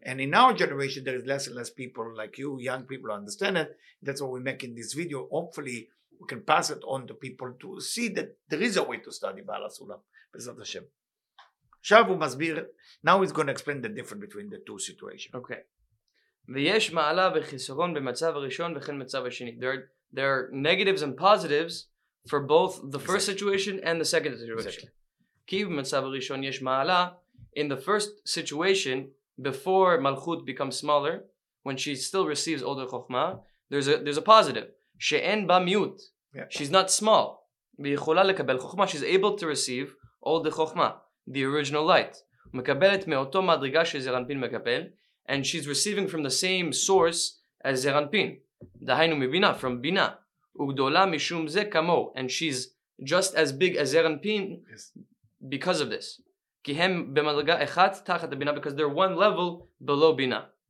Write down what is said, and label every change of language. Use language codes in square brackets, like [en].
[en] And in our generation, there is less and less people like you, young people who understand it. That's what we make in this video. Hopefully, we can pass it on to people to see that there is a way to study Baal HaSulam. Bezat Hashem. [he] Shavu Masbir, [en] now he's going to explain the difference between the two situations. Okay. [he] ויש מעלה וחיסרון במצב הראשון וכן מצב השני. [en] There are negatives and positives for both the first situation and the second situation. [he] כי במצב הראשון יש מעלה. [en] In the first situation, before מלכות becomes smaller, when she still receives older חוכמה, there's a positive. [he] שאין בה מיעוט. [en] She's not small. [he] ויכולה לקבל חוכמה. [en] She's able to receive older חוכמה. The original light. [he] מקבלת מאותו מדרגה שזרנפין מקבל. [en] And she's receiving from the same source as Zeranpin. [he] Dahainu mibina, [en] from Bina. [he] Ugdola mishum ze kamo. [en] And she's just as big as Zeranpin because of this. [he] Kihem bemadaga echat tachat Bina, [en] because they're one level below Bina.